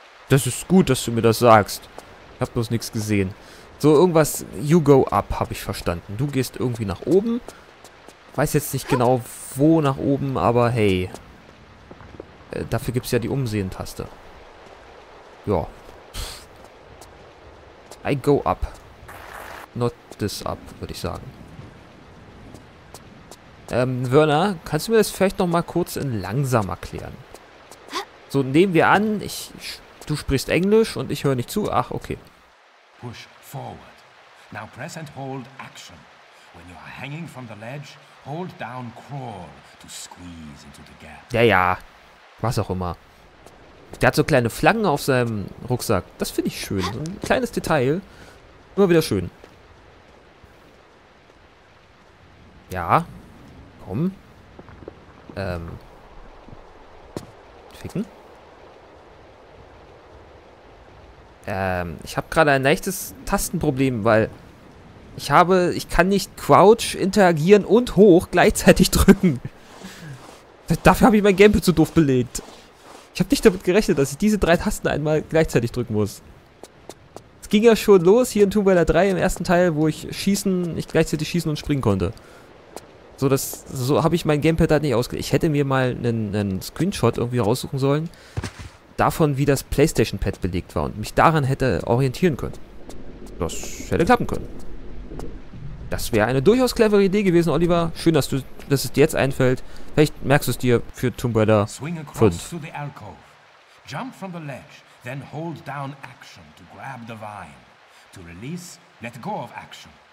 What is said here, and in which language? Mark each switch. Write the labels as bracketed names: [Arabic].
[German] Das ist gut, dass du mir das sagst. Ich hab bloß nichts gesehen. So, irgendwas, [English] you go up, [German] habe ich verstanden. Du gehst irgendwie nach oben. Weiß jetzt nicht genau, wo nach oben, aber hey. Dafür gibt's ja die Umsehen-Taste. Ja. [English] I go up. Not this up, [German] würde ich sagen. Werner, kannst du mir das vielleicht nochmal kurz in langsam erklären? So, nehmen wir an, du sprichst Englisch und ich höre nicht zu. [English] Ach, okay. Push forward. Now press and hold action. When you are hanging from the ledge, hold down crawl to squeeze into the gap. [German] Ja, ja. Was auch immer. Der hat so kleine Flaggen auf seinem Rucksack. Das finde ich schön. So ein kleines Detail. Immer wieder schön. Ja. Komm. Ficken. Ich habe gerade ein leichtes Tastenproblem, weil ich kann nicht Crouch interagieren und hoch gleichzeitig drücken. Dafür habe ich mein Gamepad zu doof belegt. Ich habe nicht damit gerechnet, dass ich diese drei Tasten einmal gleichzeitig drücken muss. Es ging ja schon los hier in Tomb Raider 3 im ersten Teil, wo ich gleichzeitig schießen und springen konnte. So habe ich mein Gamepad halt nicht ausgelegt. Ich hätte mir mal einen Screenshot irgendwie raussuchen sollen. Davon, wie das PlayStation-Pad belegt war und mich daran hätte orientieren können. Das hätte klappen können. Das wäre eine durchaus clevere Idee gewesen, Oliver. Schön, dass es dir jetzt einfällt. Vielleicht merkst du es dir für Tomb Raider 5. [English] Swing across to the alcove. Jump from the ledge, then hold down action to grab the vine. To release, let go of action.